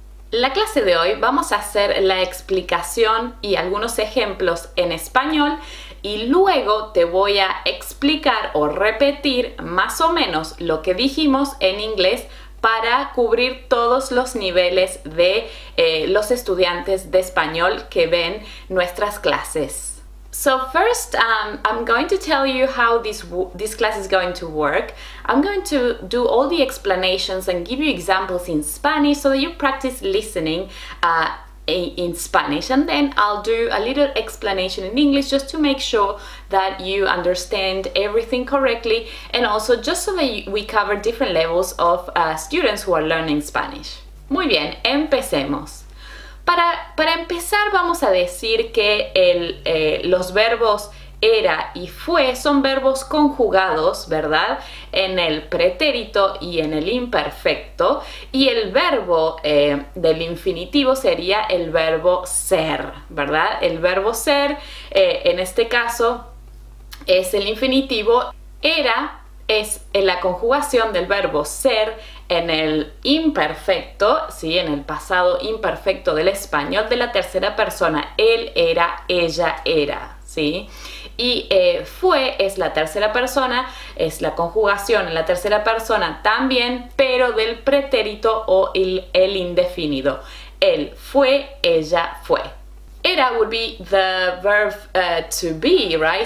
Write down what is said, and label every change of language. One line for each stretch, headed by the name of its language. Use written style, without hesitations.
Spanish: La clase de hoy vamos a hacer la explicación y algunos ejemplos en español y luego te voy a explicar o repetir más o menos lo que dijimos en inglés para cubrir todos los niveles de los estudiantes de español que ven nuestras clases.
English: So first, I'm going to tell you how this class is going to work. I'm going to do all the explanations and give you examples in Spanish so that you practice listening in Spanish. And then I'll do a little explanation in English just to make sure that you understand everything correctly. And also just so that we cover different levels of students who are learning Spanish.
Spanish: Muy bien, empecemos. Para empezar, vamos a decir que los verbos era y fue son verbos conjugados, ¿verdad? En el pretérito y en el imperfecto. Y el verbo del infinitivo sería el verbo ser, ¿verdad? El verbo ser, en este caso, es el infinitivo. Era es la conjugación del verbo ser en el imperfecto, ¿sí? En el pasado imperfecto del español, de la tercera persona, él era, ella era, ¿sí? Y fue es la tercera persona, es la conjugación en la tercera persona también, pero del pretérito o el indefinido. Él fue, ella fue.
English: Era would be the verb to be, right?